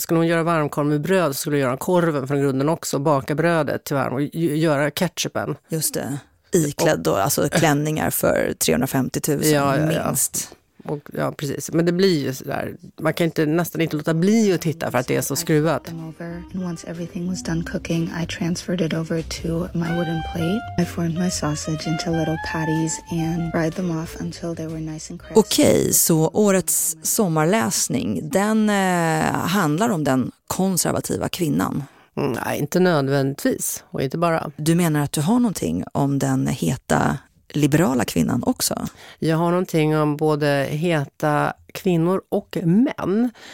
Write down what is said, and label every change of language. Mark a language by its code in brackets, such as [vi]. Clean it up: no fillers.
[sv] Skulle hon göra varmkorv med bröd skulle hon göra korven från grunden också, baka brödet tyvärr och göra ketchupen. Just det, iklädd och, då, alltså klänningar för 350 000, ja, ja, minst. Ja. Och, ja, precis. Men det blir ju sådär, man kan inte, nästan inte låta bli att titta för att det är så skruvat. [en] Once everything was done cooking, I transferred it over to my wooden plate. I formed my sausage into little patties and fried them off until they were nice and crisp. [sv] Okej, så årets sommarläsning, den handlar om den konservativa kvinnan. Nej, inte nödvändigtvis, och inte bara. Du menar att du har någonting om den heta liberala kvinnan också? Jag har någonting om både heta kvinnor och män.